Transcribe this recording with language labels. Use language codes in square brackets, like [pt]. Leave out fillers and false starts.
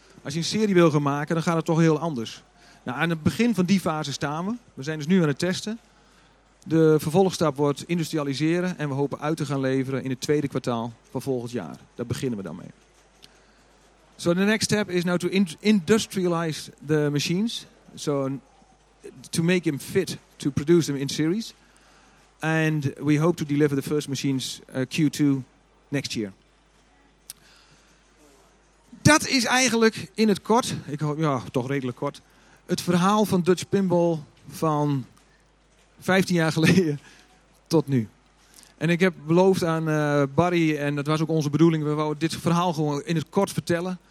[nl] Als je een serie wil gaan maken, dan gaat het toch heel anders. Nou, aan het begin van die fase staan we. We zijn dus nu aan het testen. De vervolgstap wordt industrialiseren en we hopen uit te gaan leveren in het tweede kwartaal van volgend jaar. Daar beginnen we dan mee. [en] So the next step is now to industrialize the machines. So to make them fit to produce them in series. And we hope to deliver the first machines Q2 next year. [nl] Dat is eigenlijk in het kort, ik hoop, ja, toch redelijk kort, het verhaal van Dutch Pinball van 15 jaar geleden tot nu. En ik heb beloofd aan Barry, en dat was ook onze bedoeling, we wouden dit verhaal gewoon in het kort vertellen.